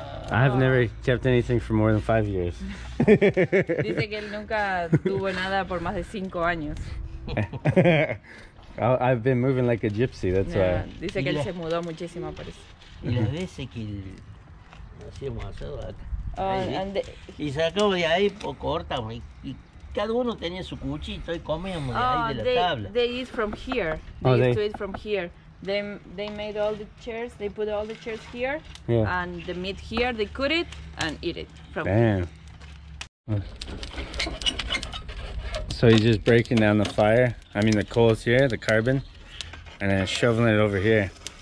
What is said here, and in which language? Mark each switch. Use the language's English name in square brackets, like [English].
[English] I've never kept anything for more than 5 years. [Spanish] Dice que él nunca tuvo nada por más de 5 años. [English] I've been moving like a gypsy, that's why. [Spanish] Dice que él se mudó muchísimo, por eso. Y las veces que hacíamos asado acá. Y sacamos de ahí, pues cortamos. Y cada uno tenía su cuchito y comíamos de ahí de la tabla. [English] They eat from here. They used to eat from here. They made all the chairs, they put all the chairs here. Yeah. And the meat here, they cut it and eat it from here. So he's just breaking down the fire, I mean the coals here, the carbon, and then shoveling it over here.